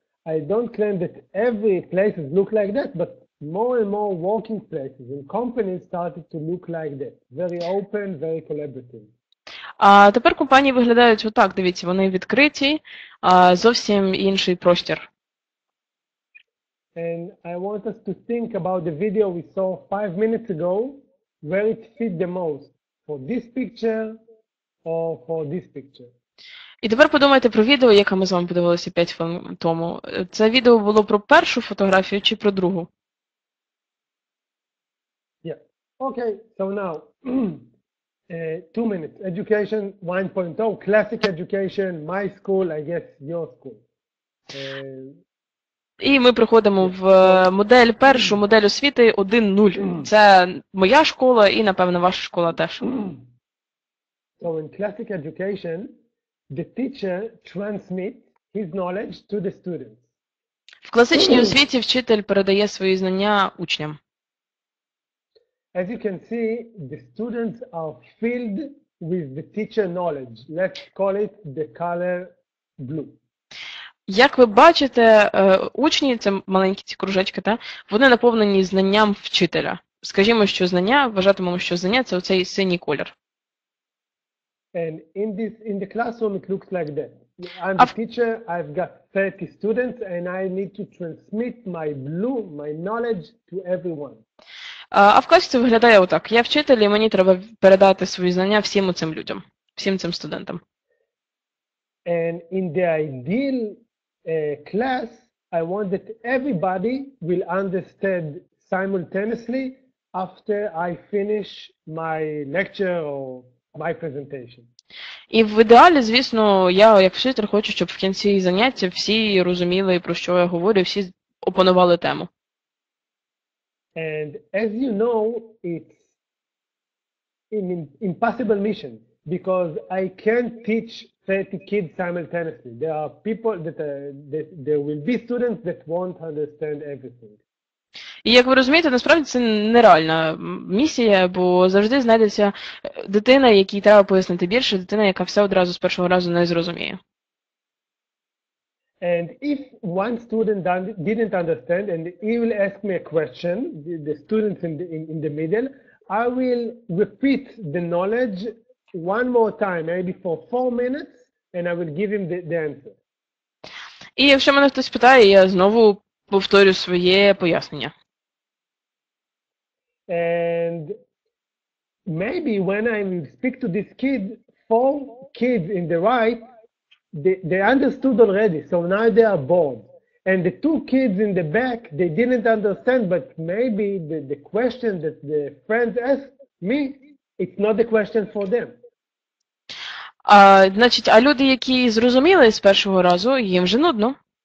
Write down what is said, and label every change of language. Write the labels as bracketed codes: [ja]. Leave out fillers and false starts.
[en] I don't claim that every place looks like that, but more and more working places and companies started to look like that. Very open, very collaborative. [uk] А тепер компанії виглядають отак, дивіться, вони відкриті, зовсім інший простір. [en] And I want us to think about the video we saw 5 minutes ago, where it fit the most, for this picture or for this picture. [uk] І тепер подумайте про відео, яке ми з вами подивилися 5 хвилин тому. Це відео було про першу фотографію чи про другу? [en] Yeah. Okay, so now, 2 minutes. Education 1.0, classic education, my school, I guess your school. [uk] І ми приходимо в модель першу, модель освіти 1.0. Це моя школа і, напевно, ваша школа теж. [en] So in classic education, the teacher transmits his knowledge to the students. [uk] В класичній освіті вчитель передає свої знання учням. [en] As you can see, the students are filled with the teacher knowledge. Let's call it the color blue. [uk] Як ви бачите, учні, це маленькі ці кружечки, та? Вони наповнені знанням вчителя. Скажімо, що знання, вважатимемо, що знання – це оцей синій колір. [en] And in the classroom it looks like that. I'm the teacher, I've got 30 students and I need to transmit my blue, my knowledge to everyone. [uk] А в класі це виглядає отак. Я вчитель і мені треба передати свої знання всім цим людям, всім цим студентам. [en] And in the ideal class, I want that everybody will understand simultaneously after I finish my lecture or my presentation. [uk] І в ідеалі, звісно, я як вчитель хочу, щоб в кінці заняття всі розуміли, про що я говорю, всі опанували тему. [en] And as you know, it's an impossible mission because I can't teach 30 kids simultaneously. There are people that there will be students that won't understand everything. [uk] І як ви розумієте, насправді це нереальна місія, бо завжди знайдеться дитина, якій треба пояснити більше, дитина, яка все одразу з першого разу не зрозуміє. [en] And if one student didn't understand and he will ask me a question, the students in the middle, I will repeat the knowledge one more time, maybe for 4 minutes, and I will give him the answer. [uk] І якщо мене хтось питає, я знову повторю своє пояснення. [en] And maybe when I will speak to this kid, 4 kids in the right, they understood already, so now they are bored. And the 2 kids in the back, they didn't understand, but maybe the question that the friends asked me, it's not the question for them. [uk] А люди, які зрозуміли з першого разу, їм вже нудно.